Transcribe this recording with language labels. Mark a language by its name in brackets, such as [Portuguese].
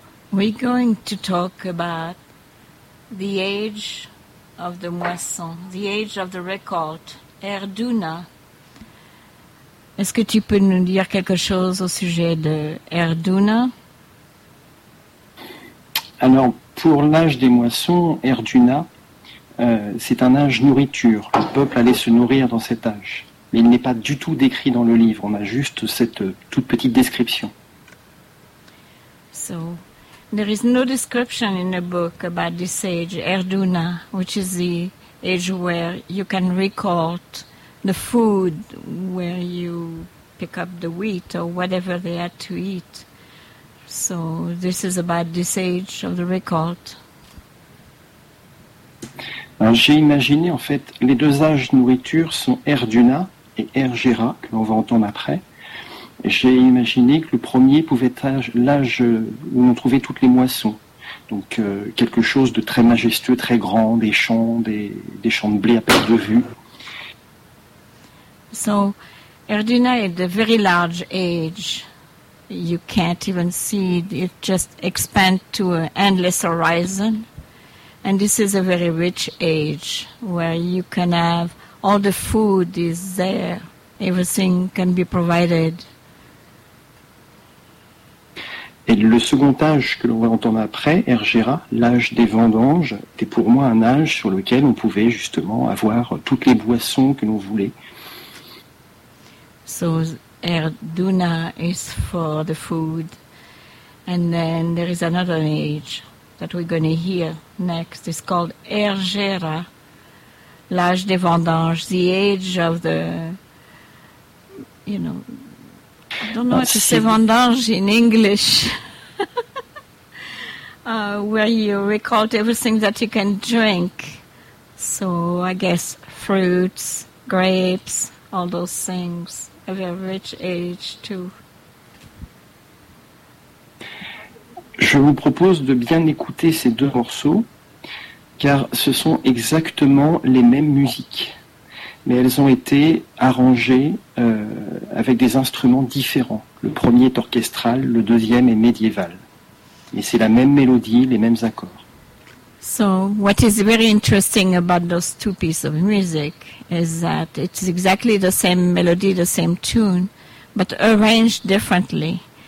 [English] We're going to talk about the age of the moisson, the age of the récolte, Erduna. [French] Est-ce que tu peux nous dire quelque chose au sujet de Erduna? Alors, pour l'âge des moissons, Erduna, c'est un âge nourriture. Le peuple allait se nourrir dans cet âge. Mais il n'est pas du tout décrit dans le livre. On a juste cette toute petite description. [English] So, there is no description in the book about this age, Erduna, which is the age where you can recolt the food, where you pick up the wheat or whatever they had to eat. So this is about this age of the récolte. [French] Alors, j'ai imaginé, en fait, les deux âges nourriture sont Erduna et Ergera, que l'on va entendre après. J'ai imaginé que le premier pouvait être l'âge où l'on trouvait toutes les moissons. Donc quelque chose de très majestueux, très grand, des champs de blé à perte de vue. [English] So, Erduna is a very large age. You can't even see it. It just expands to an endless horizon. And this is a very rich age where you can have all the food is there. Everything can be provided. [French] Et le second âge que l'on va entendre après, Ergera, l'âge des vendanges, était pour moi un âge sur lequel on pouvait justement avoir toutes les boissons que l'on voulait. [English] So Erduna is for the food, and then there is another age that we're going to hear next. It's called Ergera, [French] l'âge des vendanges, [English] the age of the, you know, I don't know what to say, vendanges in English, where you recolt everything that you can drink. So I guess fruits, grapes, all those things. A very rich age too. [French] Je vous propose de bien écouter ces deux morceaux, car ce sont exactement les mêmes musiques, mais elles ont été arrangées avec des instruments différents. Le premier est orchestral, le deuxième est médiéval. Mais c'est la même mélodie, les mêmes accords. [English] So, what is very interesting about those two pieces of music is that it's exactly the same melody, the same tune, but arranged differently.